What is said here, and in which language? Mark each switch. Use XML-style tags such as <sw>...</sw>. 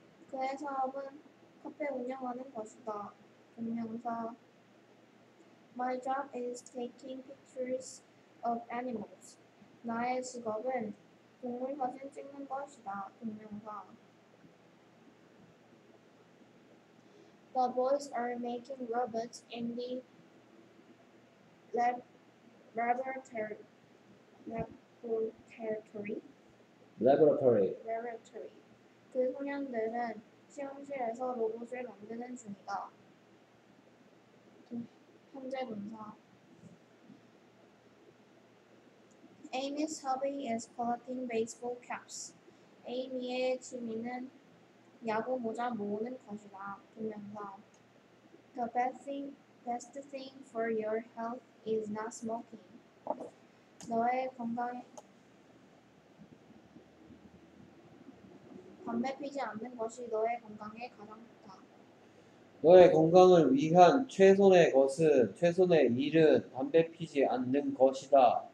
<ko>그의 사업은 카페 운영하는 것이다. 동명사.</ko> <en>My job is taking pictures of animals.</en> <ko>나의 직업은 동물 사진 찍는 것이다. 동명사.</ko> <en>The boys are making robots in the laboratory.</en> <ko>그 소년들은 시험실에서 로봇을 만드는 중이다. 현재 문서.</ko> <en>Amy's hobby is collecting baseball caps.</en> <ko>Amy의 취미는 야구 모자 모으는 것이다. 동명사.</ko> <en>The best thing for your health is not smoking.</en> <ko>너의 건강에 담배 피지 않는 것이 너의 건강에 가장 좋다. 너의 건강을 위한 최선의 것은 최선의 일은 담배 피지 않는 것이다.</ko>